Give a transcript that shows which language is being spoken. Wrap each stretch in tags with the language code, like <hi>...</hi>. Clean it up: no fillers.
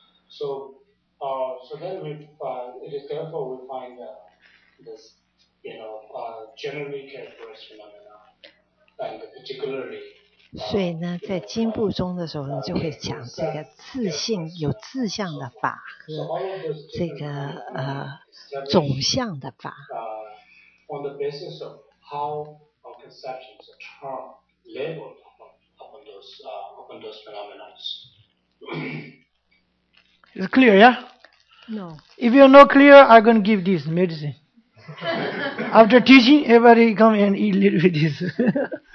<en>So then we find, it is therefore we find this, generally characterized phenomena, and particularly.</en> <zh>所以呢，在经部中的时候，你就会讲这个自性有自相的法和这个总相的法。</zh> <en>On the basis of how our conceptions are termed, labeled upon those phenomena. Is it clear, yeah? No. If you're not clear, I'm going to give this medicine. After teaching, everybody come and eat a little bit of this.</en>